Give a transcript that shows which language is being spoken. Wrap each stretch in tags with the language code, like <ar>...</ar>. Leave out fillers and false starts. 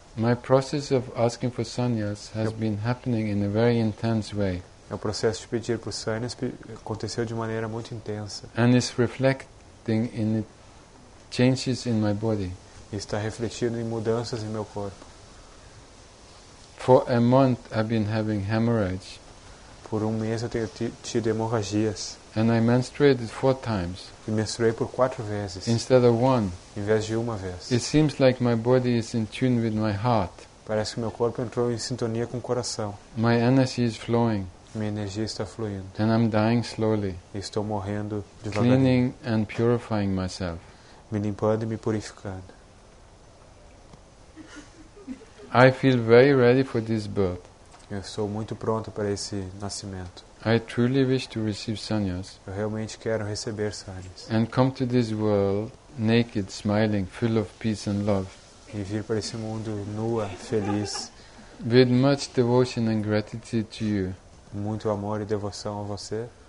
<en>My process of asking for sannyas has been happening in a very intense way.</en> <pt>O processo de pedir por sannyas aconteceu de maneira muito intensa.</pt> <en>And is reflecting in changes in my body.</en> <pt>E está refletindo em mudanças em meu corpo.</pt> <en>For a month I've been having hemorrhage.</en> <pt>Por mês eu tenho tido hemorragias.</pt> <en>And I menstruated 4 times.</en> <pt>E menstruei por 4 vezes.</pt> <en>Instead of one.</en> <pt>Em vez de uma vez.</pt> <en>It seems like my body is in tune with my heart.</en> <pt>Parece que meu corpo entrou em sintonia com o coração.</pt> <en>My energy is flowing.</en> <pt>Minha energia está fluindo.</pt> <en>And I'm dying slowly.</en> <pt>E estou morrendo devagarinho.</pt> <en>Cleaning and purifying myself.</en> <pt>Me limpando e me purificando.</pt> <en>I feel very ready for this birth.</en> <pt>Eu estou muito pronto para esse nascimento.</pt> <en>I truly wish to receive sannyas.</en> <pt>Eu realmente quero receber sannyas.</pt> <en>And come to this world naked, smiling, full of peace and love.</en> <pt>E vir para esse mundo nua, feliz.</pt> <en>With much devotion and gratitude to you.</en> <pt>Muito amor e devoção a você.</pt>